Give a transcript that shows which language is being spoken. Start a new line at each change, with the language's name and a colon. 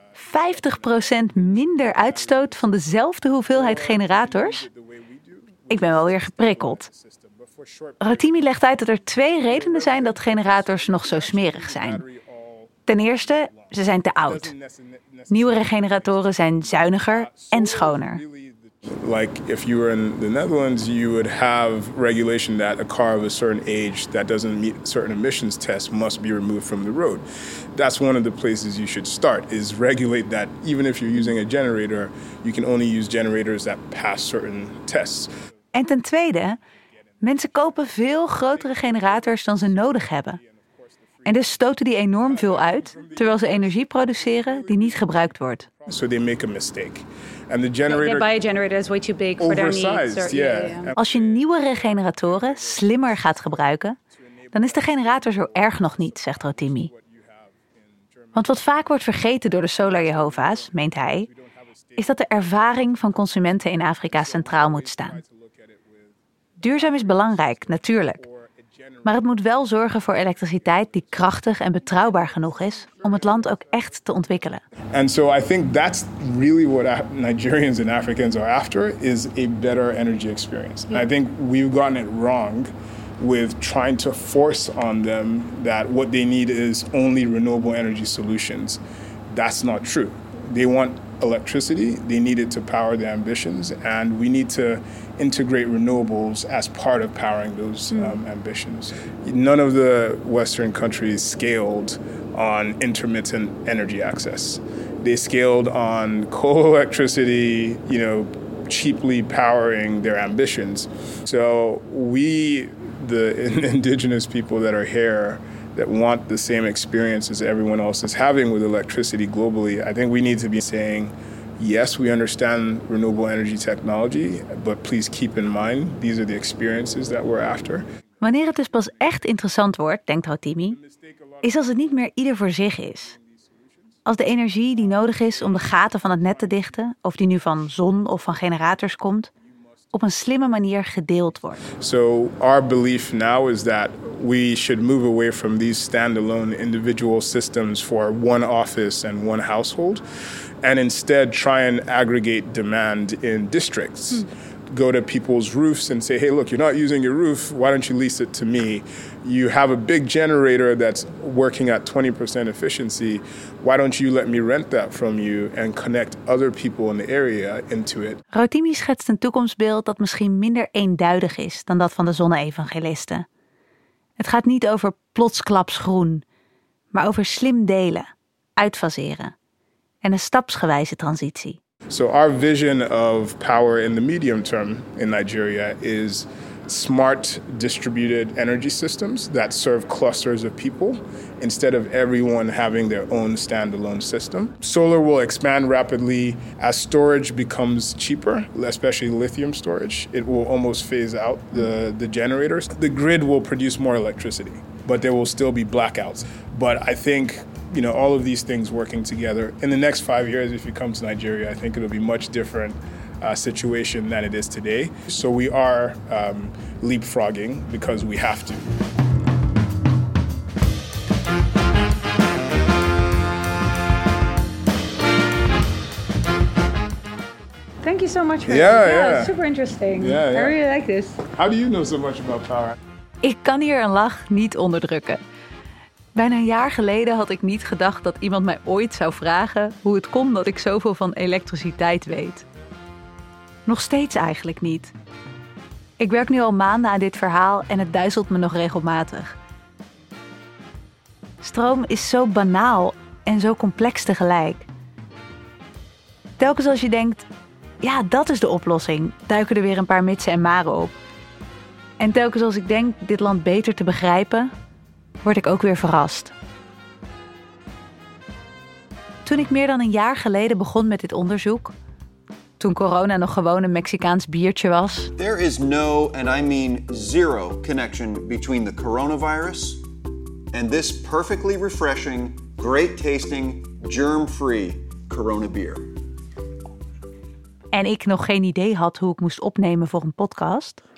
Dutch: 50% minder uitstoot van dezelfde hoeveelheid generators? Ik ben wel weer geprikkeld. Rotimi legt uit dat er twee redenen zijn dat generators nog zo smerig zijn. Ten eerste, ze zijn te oud. Nieuwere generatoren zijn zuiniger en schoner.
English: Like if you were in the Netherlands, you would have regulation that a car of a certain age that doesn't meet certain emissions tests must be removed from the road. That's one of the places you should start, is regulate that even if you're using a generator, you can only use generators that pass certain tests.
Dutch: En ten tweede, mensen kopen veel grotere generators dan ze nodig hebben. En dus stoten die enorm veel uit, terwijl ze energie produceren die niet gebruikt wordt.
English: So they make a mistake. And the generator, they buy a generator that's way too big for their needs. Oversized, yeah. Yeah.
Dutch: Als je nieuwere generatoren slimmer gaat gebruiken, dan is de generator zo erg nog niet, zegt Rotimi. Want wat vaak wordt vergeten door de Solar Jehovah's, meent hij, is dat de ervaring van consumenten in Afrika centraal moet staan. Duurzaam is belangrijk, natuurlijk. Maar het moet wel zorgen voor elektriciteit die krachtig en betrouwbaar genoeg is om het land ook echt te ontwikkelen.
English: And so I think that's really what Nigerians and Africans are after, is a better energy experience. And I think we've gotten it wrong with trying to force on them that what they need is only renewable energy solutions. That's not true. They want electricity, they need it to power their ambitions, and we need to integrate renewables as part of powering those ambitions. None of the Western countries scaled on intermittent energy access. They scaled on coal electricity, you know, cheaply powering their ambitions. So we, the indigenous people that are here, that want the same experience as everyone else is having with electricity globally, I think we need to be saying, yes, we understand renewable energy technology, but please keep in mind, these are the experiences that we're after.
Dutch: Wanneer het dus pas echt interessant wordt, denkt Hotimi, is als het niet meer ieder voor zich is. Als de energie die nodig is om de gaten van het net te dichten, of die nu van zon of van generators komt, op een slimme manier gedeeld wordt.
English: So our belief now is that we should move away from these standalone individual systems for one office and one household, and instead try and aggregate demand in districts. Go to people's roofs and say, hey, look, you're not using your roof, why don't you lease it to me? You have a big generator that's working at 20% efficiency, why don't you let me rent that from you and connect other people in the area into it?
Dutch: Rotimi schetst een toekomstbeeld dat misschien minder eenduidig is dan dat van de zonne-evangelisten. Het gaat niet over plotsklaps groen, maar over slim delen, uitfaseren en een stapsgewijze transitie.
English: So our vision of power in the medium term in Nigeria is smart distributed energy systems that serve clusters of people instead of everyone having their own standalone system. Solar will expand rapidly as storage becomes cheaper, especially lithium storage. It will almost phase out the generators. The grid will produce more electricity, but there will still be blackouts. But I think, you know, all of these things working together. In the next 5 years, if you come to Nigeria, I think it'll be much different situation than it is today. So we are leapfrogging because we have to. Thank you so much for super interesting. Yeah. I really like this. How do you know so much about power?
Dutch: Ik kan hier een lach niet onderdrukken. Bijna een jaar geleden had ik niet gedacht dat iemand mij ooit zou vragen hoe het kon dat ik zoveel van elektriciteit weet. Nog steeds eigenlijk niet. Ik werk nu al maanden aan dit verhaal en het duizelt me nog regelmatig. Stroom is zo banaal en zo complex tegelijk. Telkens als je denkt, ja, dat is de oplossing, duiken er weer een paar mitsen en maren op. En telkens als ik denk dit land beter te begrijpen, word ik ook weer verrast. Toen ik meer dan een jaar geleden begon met dit onderzoek, toen corona nog gewoon een Mexicaans biertje was.
English: There is no, and I mean zero, connection between the coronavirus and this perfectly refreshing, great tasting, germ-free corona beer.
Dutch: En ik nog geen idee had hoe ik moest opnemen voor een podcast.